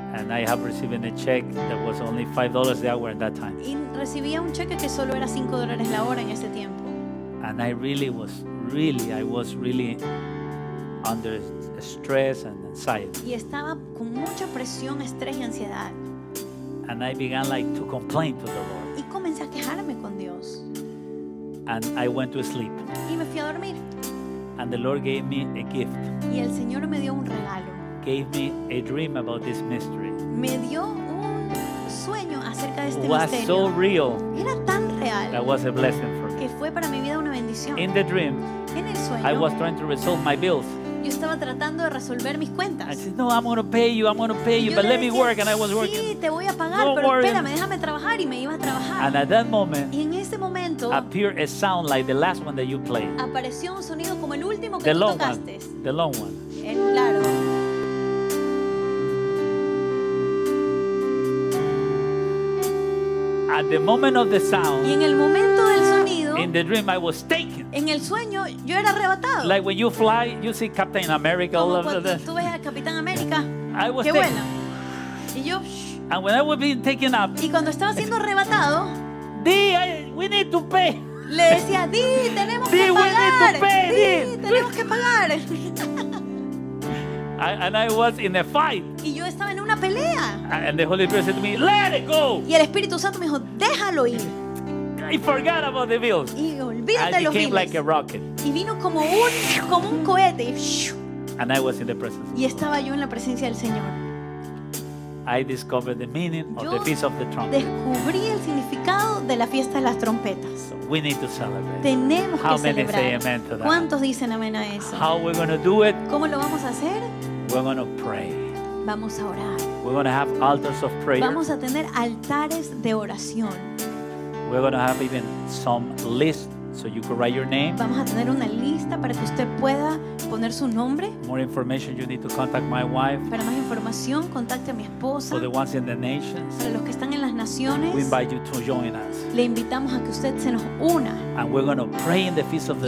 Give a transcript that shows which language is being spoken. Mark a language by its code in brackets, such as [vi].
[en] And I have received a check that was only $5 the hour at that time. [es] Y recibía un cheque que solo era $5 la hora en ese tiempo. [en] And I really was, really, I was really under stress and anxiety. [es] Y estaba con mucha presión, estrés y ansiedad. [en] And I began like to complain to the Lord. [es] Y comencé a quejarme con Dios. [en] And I went to sleep. [es] Y me fui a dormir. [en] And the Lord gave me a gift. [es] Y el Señor me dio un regalo. [en] Gave me a dream about this mystery. [es] Me dio un sueño acerca de este [en] was [es] misterio. [en] So real. [es] Era tan real. [en] That was a blessing for me. [es] Que fue para mi vida una bendición. [en] In the dream. [es] En el sueño. [en] I was trying to resolve my bills. [es] Yo estaba tratando de resolver mis cuentas. [en] I said, no, I'm going to pay you. I'm going to pay you. But let me work. And I was working. [es] Sí, te voy a pagar. [en] Don't [es] pero [en] worry. [es] Espérame, déjame trabajar. Y me iba a trabajar. [en] And at that moment. [es] Y en ese momento. [en] Appeared a sound like the last one that you played. [es] Apareció un sonido como el último que tú tocaste. [en] The long one. [es] El claro. [en] At the moment of the sound, [es] y en el momento del sonido, [en] in the dream I was taken. [es] En el sueño yo era arrebatado. [en] Like when you fly, you see Captain America. [es] Como [en] all over [es] cuando tú ves a Capitán América. [en] I was [es] qué [en] taken. [es] Bueno. Y yo. [en] And when I was being taken up. [es] Y cuando estaba siendo arrebatado. [en] We need to pay. [es] Le decía, di, tenemos que pagar. [en] We need to pay. [es] Di, tenemos que pagar. [en] And I was in a fight. [es] Y yo estaba en una pelea. [en] And the Holy Spirit said to me, "Let it go." [es] Y el Espíritu Santo me dijo, "Déjalo ir." [en] I forgot about the bills. [es] Y olvídate [en] I became like a rocket. [es] Y vino como un cohete. [en] And I was in the presence. [es] Y estaba yo en la presencia del Señor. [en] I discovered the meaning of the feast of the trumpet. [es] Descubrí el significado de la fiesta de las trompetas. [en] We need to celebrate. [es] Tenemos [en] How [es] que celebrar. [en] How many say amen to that? [es] ¿Cuántos dicen amén a eso? [en] How we're going to do it? [es] ¿Cómo lo vamos a hacer? [en] We're going to pray. [es] Vamos a orar. [en] We're going to have altars of prayer. [es] Vamos a tener altares de oración. [en] We're going to have even some list so you can write your name. [es] Vamos a tener una lista para que usted pueda poner su nombre. [en] More information, you need to contact my wife. [es] Para más información, contacte a mi esposa. [en] For the ones in the nations. [es] Para los que están en las naciones. [en] We invite you to join us. [es] Le invitamos a que usted se nos una. [en] And we're going to pray in the feast of the